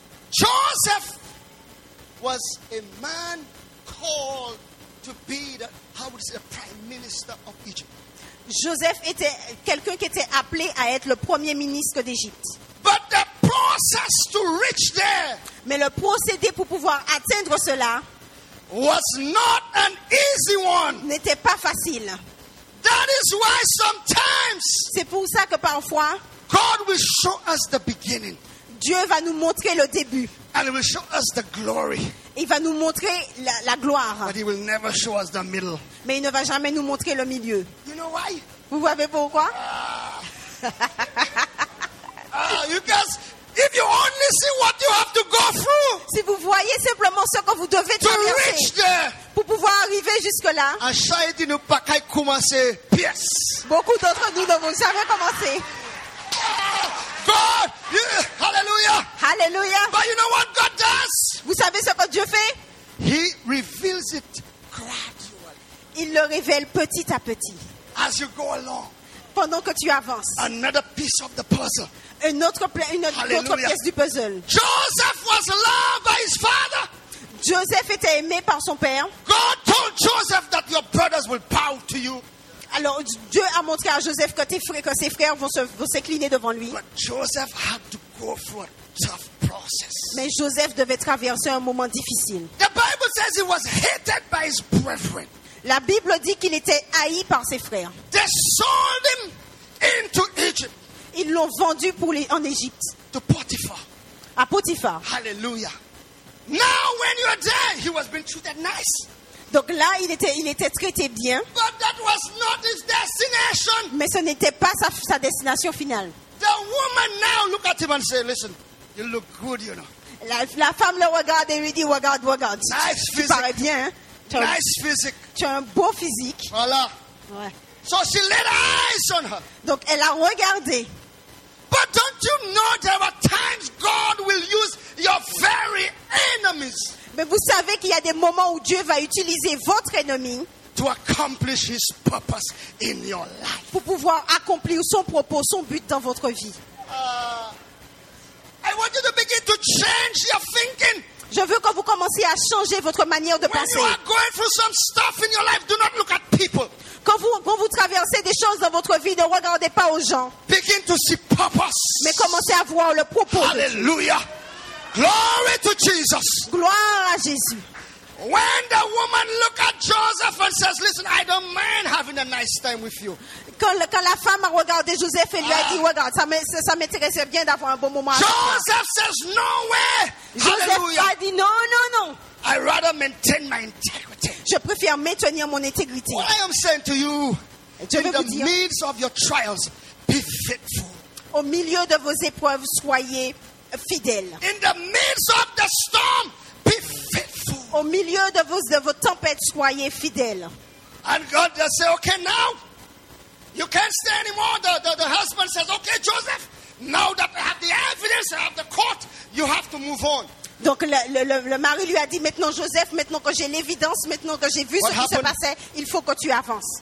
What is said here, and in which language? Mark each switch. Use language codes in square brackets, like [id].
[en] Joseph was a man called to be the, how would you say, the prime minister of Egypt. [fr] Joseph était quelqu'un qui était appelé à être le premier ministre d'Égypte. [en] But the process to reach there. [fr] Mais le procédé pour pouvoir atteindre cela [en] was not an easy one. [fr] N'était pas facile. [en] That is why sometimes. [fr] C'est pour ça que parfois [en] God will show us the beginning. [fr] Dieu va nous montrer le début. [en] And he will show us the glory. [fr] Il va nous montrer la gloire. [en] But he will never show us the middle. [fr] Mais il ne va jamais nous montrer le milieu. [en] You know why? [fr] Vous savez pourquoi? [en] You guys, if you only see what you have to go through. [fr] Si vous voyez simplement ce que vous devez traverser. [en] To reach there. [fr] Pour pouvoir arriver jusque là. A chaque nous pas qu'à commencer pièce. Beaucoup d'entre nous ne vont jamais commencer. [en] God, you, hallelujah. Hallelujah. But you know what God does? [fr] Vous savez ce que Dieu fait? [en] He reveals it gradually. [fr] Il le révèle petit à petit. [en] As you go along. [fr] Pendant que tu avances. [en] Another piece of the puzzle. [fr] Une autre pièce du puzzle. [en] Joseph was loved by his father. [fr] Joseph était aimé par son père. [en] God told Joseph that your brothers will bow to you. [fr] Alors Dieu a montré à Joseph que ses frères vont s'incliner devant lui. [en] But Joseph had to go through a tough process. [fr] Mais Joseph devait traverser un moment difficile. [en] The Bible says he was hated by his brethren. [fr] La Bible dit qu'il était haï par ses frères. [en] They sold him into Egypt. [fr] Ils l'ont vendu en Égypte. [en] To Potiphar. [fr] À Potiphar. [en] Hallelujah. Now when you are there, he was being treated nice. [fr] Donc là, il était traité bien. [en] But that was not his destination. [fr] Mais ce n'était pas sa destination finale. [en] The woman now look at him and say, "Listen, you look good, you know." [fr] La femme le regarde et lui dit, "Regarde. [en] Nice [fr] tu physique. Tu parais bien. Hein? [en] Nice physique. [fr] Tu as un beau physique." Voilà. Ouais. [en] So she laid eyes on her. [fr] Donc elle a regardé. [en] But don't you know there are times God will use your very enemies? [fr] Mais vous savez qu'il y a des moments où Dieu va utiliser votre ennemi [en] to accomplish his purpose in your life. [fr] Pour pouvoir accomplir son propos, son but dans votre vie. [en] I want you to begin to change your thinking. [fr] Je veux que vous commenciez à changer votre manière de penser. [en] When you are going through some stuff in your life, do not look at people. [fr] Quand vous traversez des choses dans votre vie, ne regardez pas aux gens. [en] Begin to see purpose. [fr] Mais commencez à voir le propos. [en] Hallelujah. Glory to Jesus. [fr] Gloire à Jésus. [en] When the woman look at Joseph and says, "Listen, I don't mind having a nice time with you." [fr] Quand la femme a regardé Joseph et lui a dit, "Regarde, ça m'intéressait bien d'avoir un bon moment." [en] Joseph says, "No way." [fr] Joseph [en] Hallelujah. [fr] A dit, "Non. [en] I rather maintain my integrity." [fr] Je préfère maintenir mon intégrité. [en] What I am saying to you, [fr] je [en] in the [fr] dire, [en] midst of your trials, be faithful. [fr] Au milieu de vos épreuves, soyez fidèle. [en] In the midst of the storm, be faithful. [fr] au milieu de vos tempêtes, soyez fidèles. [en] And God just say, okay, now you can't stay anymore. The husband says, okay, Joseph, now that I have the evidence, I have the court, you have to move on. [fr] Donc le mari lui a dit, maintenant Joseph, maintenant que j'ai l'évidence, maintenant que j'ai vu ce qui se passait, il faut que tu avances.